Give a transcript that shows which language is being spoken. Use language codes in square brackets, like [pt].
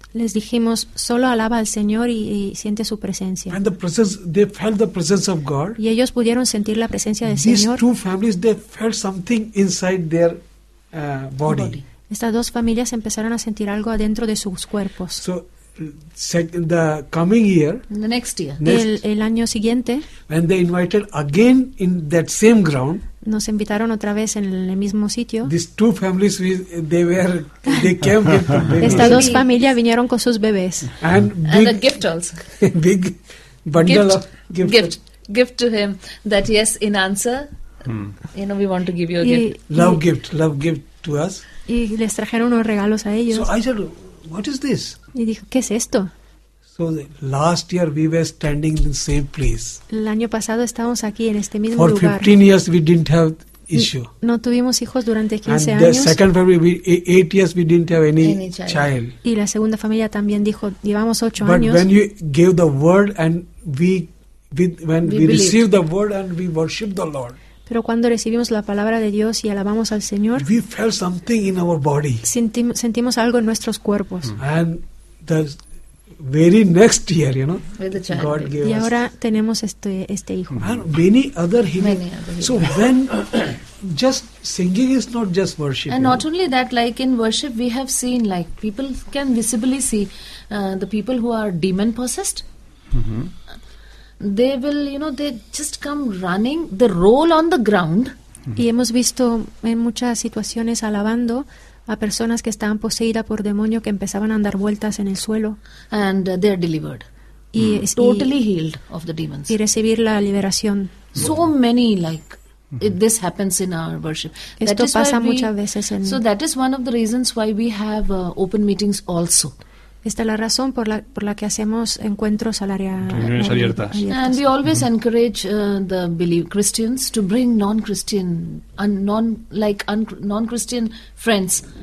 [es] Les dijimos, solo alaba al Señor y siente su presencia. [en] And the presence, they felt the presence of God. [es] Y ellos pudieron sentir la presencia del [en] These [es] Señor. [en] Two families, they felt something inside their body. [es] Estas dos familias empezaron a sentir algo adentro de sus cuerpos. [en] So, the coming year, the next year. [es] El año siguiente, [en] when they invited again in that same ground, [es] nos invitaron otra vez en el mismo sitio. [en] These two families, they came with babies. [es] Estas dos familias vinieron con sus bebés. [en] And big, and a gift also. Big bundle gift, of gift. Gift to him that yes, in answer, we want to give you a gift. Love gift to us. [es] Y les trajeron unos regalos a ellos. [en] So I said, what is this? [es] Y dijo, ¿qué es esto? [en] So last year we were standing in the same place. [es] El año pasado estábamos aquí en este mismo [en] For [es] lugar. [en] For 15 years we didn't have issue. [es] No tuvimos hijos durante 15 [en] And [es] años. [en] And the second family, 8 years we didn't have any child. [es] Y la segunda familia también dijo, llevamos 8 años. [en] But when you gave the word and we received the word and we worshiped the Lord. [es] Pero cuando recibimos la palabra de Dios y alabamos al Señor, [en] we felt something in our body. [es] Sentimos algo en nuestros cuerpos. [en] And the very next year, God gave [es] y [en] us. [es] Y ahora tenemos este hijo. [en] And many other hymns. So when just singing is not just worship. And not only that, like in worship we have seen, like people can visibly see the people who are demon possessed. They will, they just come running, they roll on the ground. [es] Y hemos visto en muchas situaciones alabando a personas que estaban poseídas por demonio que empezaban a andar vueltas en el suelo. [en] And they're delivered. Totally healed of the demons. [es] Y recibir la liberación. [en] So many, like, this happens in our worship. [es] Esto pasa muchas veces en... [en] So that is one of the reasons why we have open meetings also. [es] Esta es la razón por la que hacemos encuentros al área reuniones abiertas. [en] And we always encourage the believers Christians to bring non-Christian friends.